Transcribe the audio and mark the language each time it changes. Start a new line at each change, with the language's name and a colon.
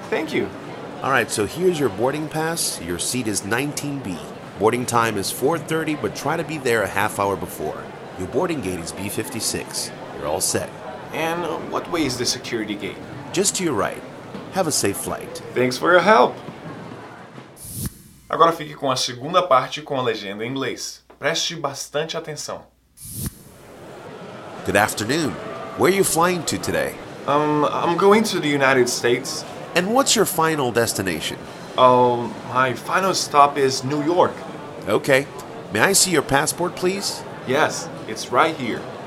English: Thank you. All right, so here's your boarding pass. Your seat is 19B. Boarding time is 4:30, but try to be there a half hour before. Your boarding gate is B56. You're all set. And what way is the security gate? Just to your right. Have a safe flight. Thanks for your help.
Portuguese: Agora fique com a segunda parte com a legenda em inglês. Preste bastante atenção.
English: Good afternoon. Where are you flying to today? I'm going to the United States. And what's your final destination? My final stop is New York. Okay. May I see your passport, please? Yes, it's right here.